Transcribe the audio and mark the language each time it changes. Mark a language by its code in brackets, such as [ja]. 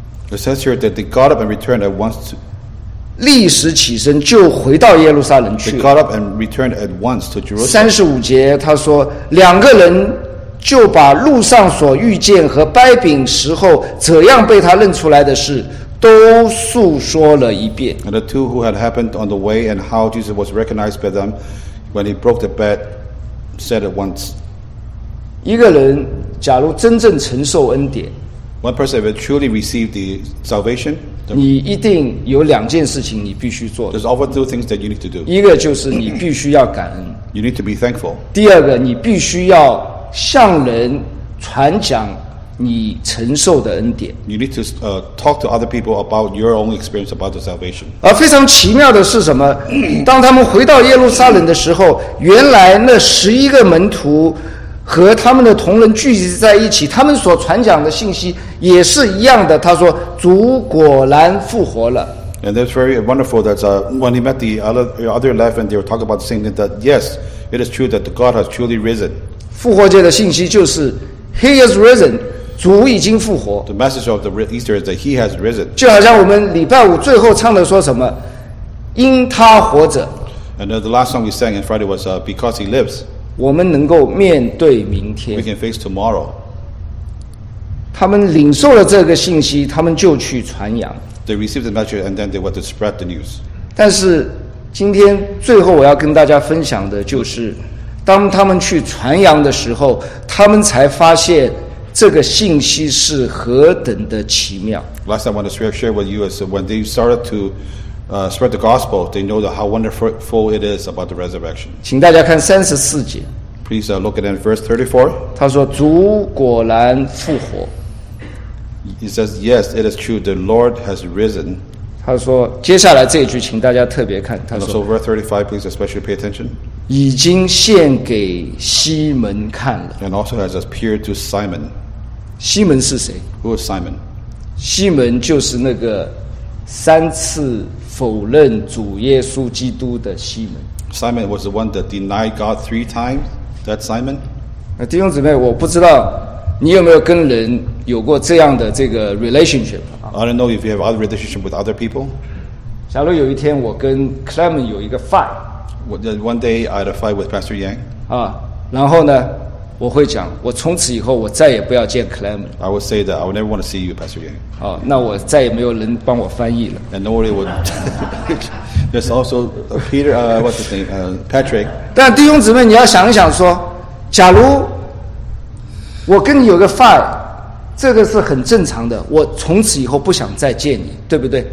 [en] It says here that they got up and returned at once. [zh] 立时起身就回到耶路撒冷去。 [en] They got up and returned at once to Jerusalem. [zh] 三十五节他说，两个人就把路上所遇见和掰饼时候怎样被他认出来的事都诉说了一遍。 [en] And the two who had happened on the way and how Jesus was recognized by them when he broke the bread said at once. [zh] 一个人假如真正承受恩典， [en] One person will truly receive the salvation, [zh] 你一定有两件事情你必须做的。 [en] There's always two things that you need to do. [zh] 一个就是你必须要感恩。 [en] You need to be thankful. [zh] 第二个，你必须要向人传讲你承受的恩典。 [en] You need to talk to other people about your own experience about the salvation. [zh] 而非常奇妙的是什么？当他们回到耶路撒冷的时候，原来那十一个门徒和他们的同人聚集在一起，他们所传讲的信息也是一样的。他说：“主果然复活了。” [en] And that's very wonderful that when he met the other 11, they were talking about the same thing. That yes, it is true that God has truly risen. [zh] 复活节的信息就是 [en] He is risen. [zh] 主已经复活。 [en] The message of the Easter is that He has risen. [zh] 就好像我们礼拜五最后唱的说什么，因他活着。 [en] And the last song we sang on Friday was Because He Lives. [zh] 我们能够面对明天。 [en] We can face tomorrow. [zh] 他们领受了这个信息，他们就去传扬。 [en] They received the message and then they were to spread the news. [zh] 但是今天最后我要跟大家分享的就是，当他们去传扬的时候，他们才发现这个信息是何等的奇妙。 [en] Last time I want to share with you is when they started to spread the gospel, they know how wonderful it is about the resurrection. [zh] 请大家看三十四节。 [en] Please look at verse 34. [zh] 他说：“主果然复活。” [en] He says, "Yes, it is true. The Lord has risen." [zh] 他说：“接下来这一句，请大家特别看。” 他说 [en] ：“So verse 35, please especially pay attention." [zh] 已经献给西门看了。 [en] And also has appeared to Simon. [zh] 西门是谁 [en] ？Who is Simon? [zh] 西门就是那个三次否认主耶稣基督的西门。 [en] Simon was the one that denied God three times. That Simon. [zh] 弟兄姊妹，我不知道你有没有跟人有过这样的这个 relationship。 [en] I don't know if you have other relationship with other people。 [zh] 假如有一天我跟 Clement 有一个 fight。 [en] One day I had a fight with Pastor Yang。 [zh] 啊，然后呢，我会讲，我从此以后我再也不要见 Clement。 [en] I would say that I would never want to see you, Pastor Yang。 [zh] 哦，那我再也没有人帮我翻译了。 [en] And nobody would. There's also Peter. What's his name? Patrick. [zh] 但弟兄姊妹，你要想一想说，假如我跟你有个 file， 这个是很正常的。我从此以后不想再见你，对不对